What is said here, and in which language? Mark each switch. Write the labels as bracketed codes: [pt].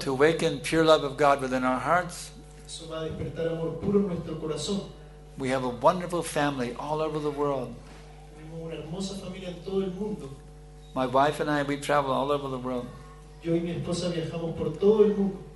[en] to awaken pure love of God within our hearts, [es] eso va a despertar amor puro en nuestro corazón. [en] We have a wonderful family all over the world. [es] Tenemos una hermosa familia en todo el mundo. [en] My wife and I, we travel all over the world. [es] Yo y mi esposa viajamos por todo el mundo.